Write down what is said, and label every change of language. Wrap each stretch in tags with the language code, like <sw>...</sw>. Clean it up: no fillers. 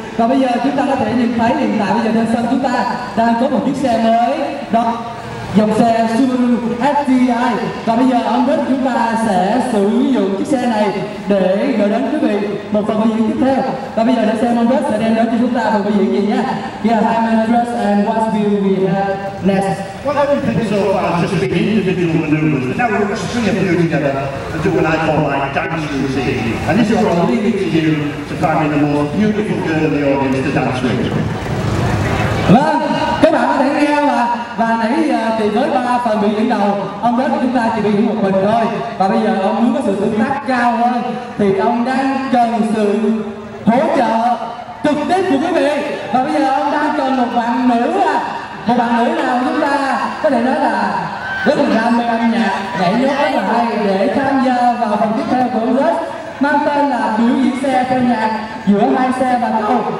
<vi>Và bây giờ chúng ta có thể nhìn thấy hiện tại bây giờ trên sân chúng ta đang có một chiếc xe mới, đó dòng xe Subaru STI. Và bây giờ ông Bích chúng ta sẽ sử dụng chiếc xe này để gửi đến quý vị một phần biểu diễn tiếp theo. Và bây giờ để xem ông Bích sẽ đem đến cho chúng ta phần biểu diễn gì nhé.</vi> <en>Yeah, hi, my address and what will we have next? Well, everything so far has just been individual maneuvers, but now we're string a few together and do what I call my dance routine. And this is what I'm leaving to you to find me the most beautiful girl in the audience to dance with.</en> <vi>Vâng, các bạn có thể nghe mà. Và nãy thì với ba phần biểu diễn đầu, ông đến chúng ta chỉ biểu diễn một mình thôi. Và bây giờ ông muốn có sự tương tác cao hơn, thì ông đang cần sự hỗ trợ trực tiếp của quý vị. Và bây giờ ông đang cần một bạn nữ à. Một bạn nữ nào chúng ta có thể nói là rất là đam mê âm nhạc, nhảy nhót rất là hay để tham gia vào phần tiếp theo của ông Rush mang tên là biểu diễn xe theo nhạc giữa hai xe và đầu.</vi>